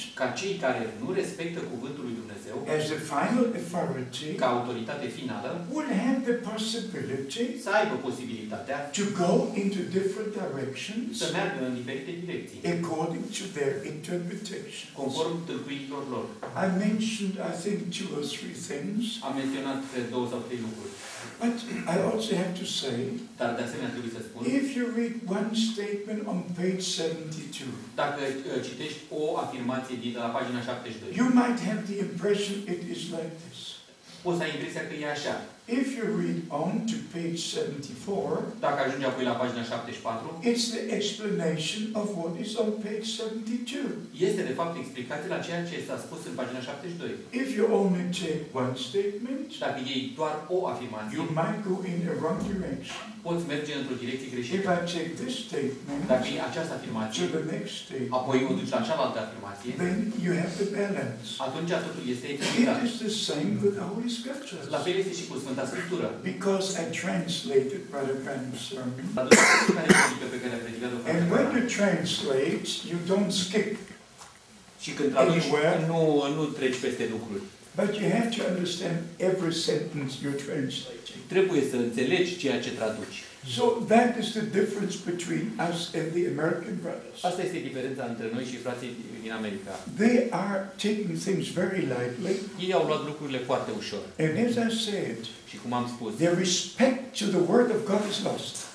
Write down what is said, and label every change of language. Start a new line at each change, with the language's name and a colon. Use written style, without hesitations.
Romanian: ca cei care nu respectă cuvântul lui Dumnezeu,
English: as the final authority,
Romanian: ca autoritate finală,
English: will have the possibility,
Romanian: să aibă posibilitatea,
English: to go into different directions,
Romanian: să meargă în diferite direcții,
English: according to their interpretation,
Romanian: conform tâlcuitor lor.
English: I mentioned, I think, two or three things.
Romanian: Am menționat două sau trei lucruri.
English: But I also have to say,
Romanian: dar de asemenea trebuie să spun,
English: if you read one statement on page 72,
Romanian: dacă citești o afirmație de la pagina 72,
English: you might have the impression it is like this.
Romanian: Poți să ai impresia că e așa.
English: If you read on to page 74,
Romanian: dacă ajungi apoi la pagina 74,
English: it's the explanation of what is on page 72.
Romanian: Este de fapt explicația la ceea ce s-a spus în pagina 72.
English: If you only take one statement,
Romanian: dacă iei doar o afirmație,
English: you might go in a wrong direction.
Romanian: Poți merge într-o direcție greșită.
English: If I take this statement,
Romanian: dacă iei această afirmație,
English: to the next statement,
Romanian: apoi o duci la cealaltă afirmație,
English: then you have the balance.
Romanian: Atunci totul este echilibrat.
English: It is the same with the Holy Scriptures.
Romanian: La fel este și cu Sfânta Scriptură.
English: Because I translated Brother Branham's sermon. And when you translate, you don't skip.
Romanian: Și când traduci, nu treci peste lucruri.
English: But you have to understand every sentence you're translating.
Romanian: Trebuie să înțelegi ceea ce traduci.
English: So that is the difference between us and the American brothers.
Romanian: Asta este diferența între noi și frații din America.
English: They are taking things very lightly.
Romanian: Ei au luat lucrurile foarte ușor.
English: And as I said,
Romanian: și cum am spus,
English: their respect to the word of God is lost.